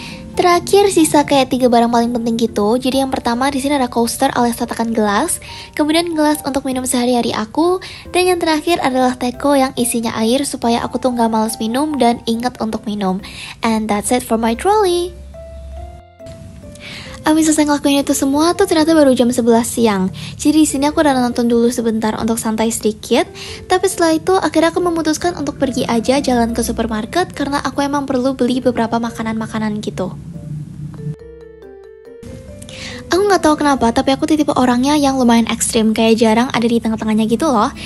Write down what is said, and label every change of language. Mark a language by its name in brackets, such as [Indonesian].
[Indonesian] Terakhir sisa kayak 3 barang paling penting gitu. Jadi yang pertama di sini ada coaster alias tatakan gelas, kemudian gelas untuk minum sehari-hari aku, dan yang terakhir adalah teko yang isinya air supaya aku tuh nggak malas minum dan ingat untuk minum. [English] And that's it for my trolley. [Indonesian] Abis selesai ngelakuin itu semua tuh ternyata baru jam 11 siang. Jadi di sini aku udah nonton dulu sebentar untuk santai sedikit. Tapi setelah itu akhirnya aku memutuskan untuk pergi aja jalan ke supermarket karena aku emang perlu beli beberapa makanan-makanan gitu. Aku gak tahu kenapa, tapi aku tuh tipe orangnya yang lumayan ekstrim, kayak jarang ada di tengah-tengahnya gitu loh.